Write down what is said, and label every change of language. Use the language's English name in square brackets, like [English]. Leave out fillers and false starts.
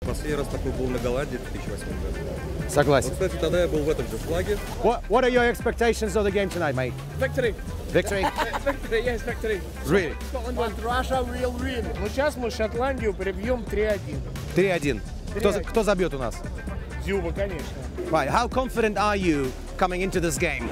[Russian] раз я такой был на Голландии в 2008 году. Согласен. Вот, кстати, тогда я был в этом же флаге. [English] What are your expectations of the game tonight, mate? Victory. Victory. Yes, victory. Really? Scotland and Russia will win. [Russian] Ну сейчас мы Шотландию перебьем 3-1. 3-1. Кто забьет у нас? Дзюба, конечно. [English] Right, how confident are you coming into this game?